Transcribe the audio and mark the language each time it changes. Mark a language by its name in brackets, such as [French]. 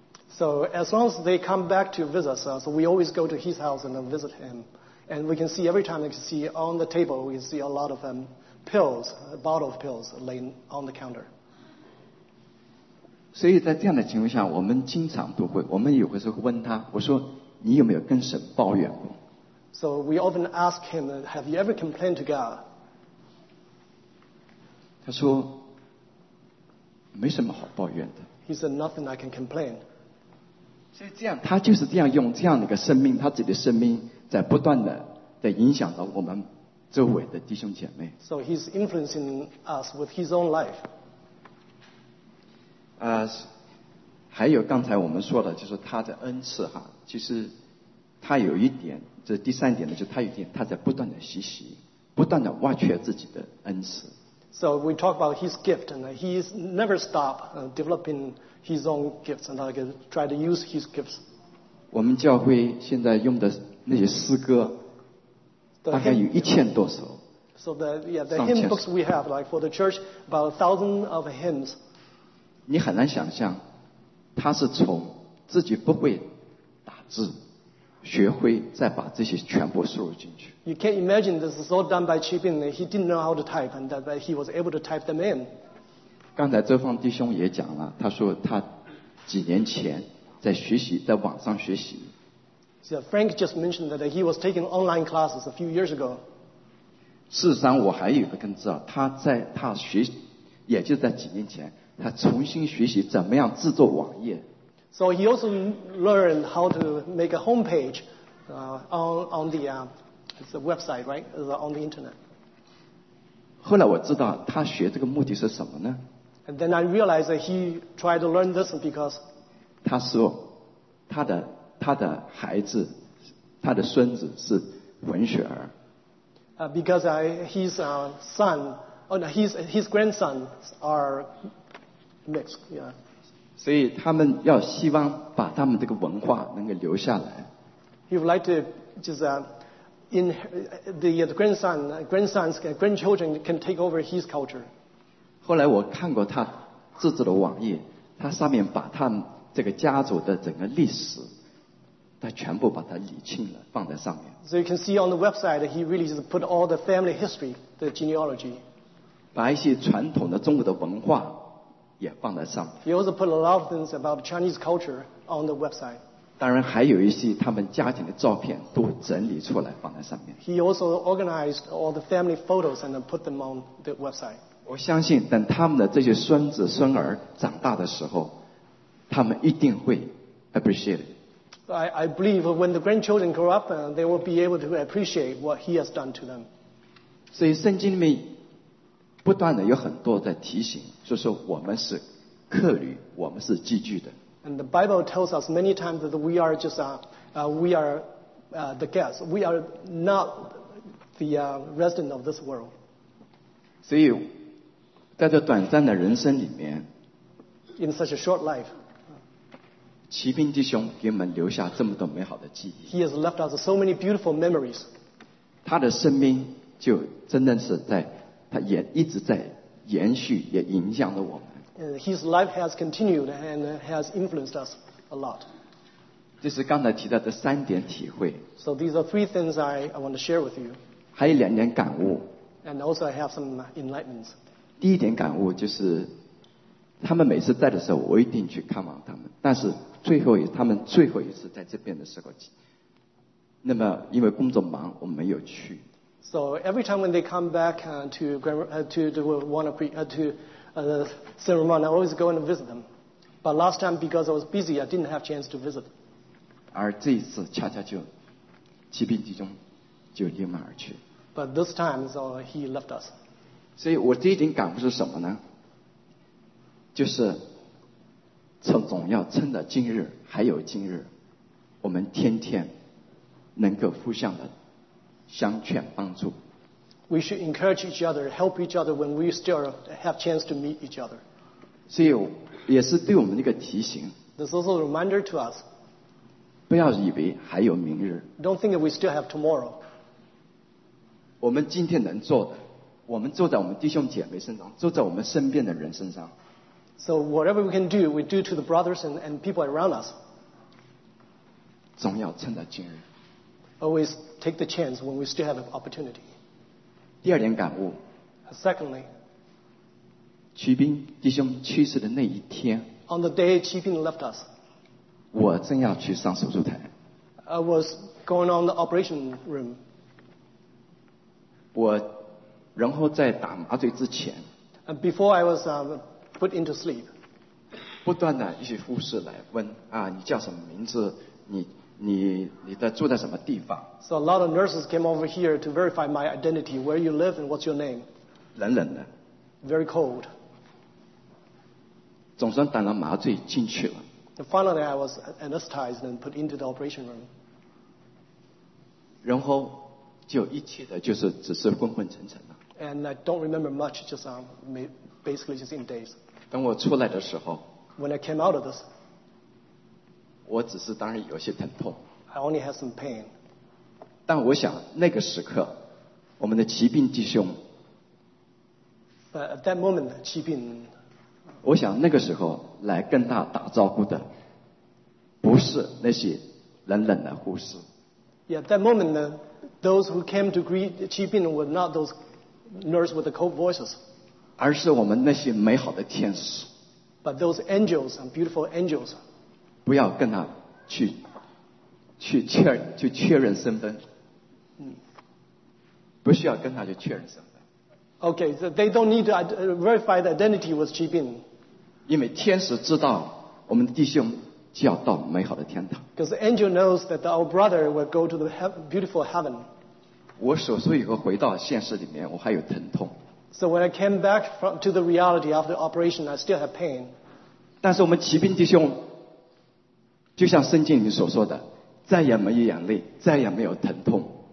[English] So as long as they come back to visit us, so we always go to his house and then visit him, and we can see every time we can see on the table, we can see a lot of them. Pills, a bottle of pills laying on the counter. [Chinese] 所以在这样的情况下，我们经常都会，我们有的时候问他，我说你有没有跟神抱怨过？ [English] So we often ask him, have you ever complained to God? [Chinese] 他说没什么好抱怨的。 [English] He said nothing I can complain. [Chinese] 所以这样，他就是这样用这样的一个生命，他自己的生命在不断的在影响到我们。周围的弟兄姐妹。 [English] So he's influencing us with his own life. [Chinese] 还有刚才我们说的，就是他的恩赐哈，其实他有一点，这第三点呢，就他有一点，他在不断的学习，不断的挖掘自己的恩赐。 [English] So we talk about his gift, and he's never stop developing his own gifts, and like try to use his gifts. [Chinese] 我们教会现在用的那些诗歌。大概有一千多首。 [English] So the hymn books we have, like for the church, about 1,000 of hymns. [Chinese] 你很难想象，他是从自己不会打字，学会再把这些全部输入进去。 [English] You can't imagine this is all done by Qibing. He didn't know how to type, and that he was able to type them in. [Chinese] 刚才周芳弟兄也讲了，他说他几年前在学习，在网上学习。 [English] So Frank just mentioned that he was taking online classes a few years ago. [Chinese] 事实上我还有一个更知道，他在他学，也就在几年前，他重新学习怎么样制作网页。 [English] So he also learned how to make a homepage on the website, right? On the internet. [Chinese] 后来我知道他学这个目的是什么呢？ [English] And then I realized that he tried to learn this because [Chinese] 他说他的孩子，他的孙子是混血儿。 [English] Because his son, oh no, his grandsons are mixed, yeah. [Chinese] 所以他们要希望把他们这个文化能够留下来。 [English] He would like to just in the grandsons, grandchildren can take over his culture. [Chinese] 后来我看过他自制的网页，他上面把他们这个家族的整个历史。他全部把它理清了，放在上面。 [English] So you can see on the website, he really just put all the family history, the genealogy. [Chinese] 把一些传统的中国的文化也放在上面。 [English] He also put a lot of things about Chinese culture on the website. [Chinese] 当然还有一些他们家庭的照片都整理出来放在上面。 [English] He also organized all the family photos and put them on the website. [Chinese] 我相信等他们的这些孙子孙儿长大的时候，他们一定会 [English] appreciate it. I believe when the grandchildren grow up, they will be able to appreciate what he has done to them. [Chinese] 所以圣经里面不断的有很多在提醒，就是我们是客旅，我们是寄居的。 [English] And the Bible tells us many times that we are just the guests. We are not the resident of this world. [Chinese] 所以在这短暂的人生里面 [English] In such a short life, [Chinese] 齐兵弟兄给我们留下这么多美好的记忆 [English] He has left us so many beautiful memories. [Chinese] 他的生命就真的是在他也一直在延续也影响了我们 [English] His life has continued and has influenced us a lot. [Chinese] 这是刚才提到的三点体会 [English] So these are three things I want to share with you. [Chinese] 还有两点感悟 [English] And also I have some enlightenments. [Chinese] 第一点感悟就是他们每次在的时候我一定去看望他们但是最后他们最后一次在这边的时候那么因为工作忙我没有去 [English] So every time when they come back Saint Ramon I always go and visit them But last time because I was busy I didn't have chance to visit [Chinese] 而这一次恰恰就疾病之中就离我们而去 [English] But this time so he left us [Chinese] 所以我这一点感悟是什么呢就是总要趁着今日还有今日我们天天能够互相的相劝帮助 [English] We should encourage each other help each other when we still have chance to meet each other [Chinese] 所以也是对我们的一个提醒 [English] This is a reminder to us [Chinese] 不要以为还有明日 [English] Don't think that we still have tomorrow [Chinese] 我们今天能做的我们坐在我们弟兄姐妹身上坐在我们身边的人身上 [English] So whatever we can do we do to the brothers and people around us [Chinese] 总要趁着今日 [English] Always take the chance when we still have an opportunity [Chinese] 第二点感悟 [English] Secondly [Chinese] 齐兵弟兄去世的那一天 [English] On the day 齐兵 left us [Chinese] 我正要去上手术台 [English] I was going on the operation room [Chinese] 我然后在打麻醉之前 [English] Before I was put into sleep [Chinese] 不断的一些护士来问啊，你叫什么名字你在住在什么地方 [English] So a lot of nurses came over here to verify my identity where you live and what's your name [Chinese] 冷冷的 [English] Very cold [Chinese] 总算打了麻醉进去了 [English] Finally I was anesthetized and put into the operation room [Chinese] 然后就一切的就是只是昏昏沉沉 [English] And I don't remember much, just basically just in days. [Chinese] 等我出来的时候 [English] When I came out of this, [Chinese] 我只是当然有些疼痛 [English] I only had some pain. [Chinese] 但我想那个时刻我们的疾病弟兄 [English] But at that moment, 疾病 [Chinese] 我想那个时候来跟他打招呼的不是那些冷冷的护士 [English] Yeah, at that moment, those who came to greet 疾病 were not those nurse with the cold voices [Chinese] 而是我们那些美好的天使 [English] but those angels and beautiful angels [Chinese] 不要跟他去确认身份不需要跟他去确认身份 [English] okay、so、they don't need to verify the identity with Chi Bin [Chinese] 因为天使知道我们的弟兄就要到美好的天堂 [English] because the angel knows that our brother will go to the beautiful heaven [Chinese] 我手术以后回到现实里面我还有疼痛 [English] So when I came back to the reality after the operation I still have pain [Chinese] 但是我们骑兵弟兄就像圣经里面所说的再也没有眼泪再也没有疼痛